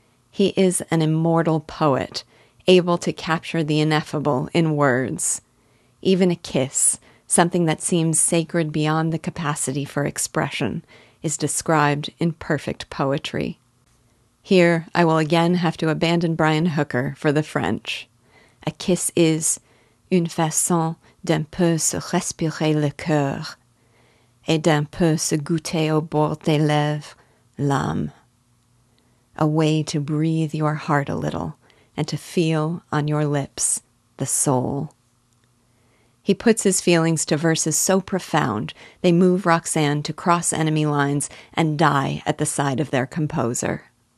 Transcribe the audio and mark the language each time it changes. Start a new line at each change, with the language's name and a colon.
English: He is an immortal poet, able to capture the ineffable in words. Even a kiss, something that seems sacred beyond the capacity for expression, is described in perfect poetry. Here, I will again have to abandon Brian Hooker for the French. A kiss is
French: une façon d'un peu se respirer le cœur et d'un peu se goûter au bord des lèvres l'âme.
English: A way to breathe your heart a little, and to feel on your lips the soul. He puts his feelings to verses so profound they move Roxanne to cross enemy lines and die at the side of their composer.